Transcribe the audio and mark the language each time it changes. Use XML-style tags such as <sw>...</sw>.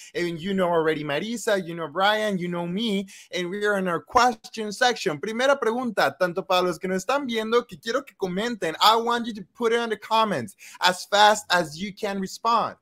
<en>And you know already Marisa, you know Brian, you know me. And we are in our question section.</en> <es>Primera pregunta, tanto para los que nos están viendo, que quiero que comenten.</es> <en>I want you to put it in the comments as fast as you can respond.</en>